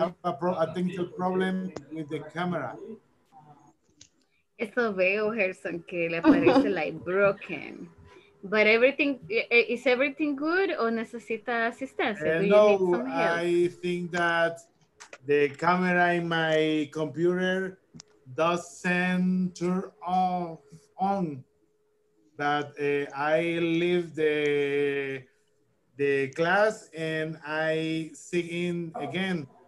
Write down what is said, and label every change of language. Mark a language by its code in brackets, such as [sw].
[en] I have a technical problem with the camera. [es] Eso veo, Gerson, que le parece like broken. [en] But everything, is everything good or necesita asistencia? No, I think that the camera in my computer doesn't turn on. That I leave the class and I sing in again.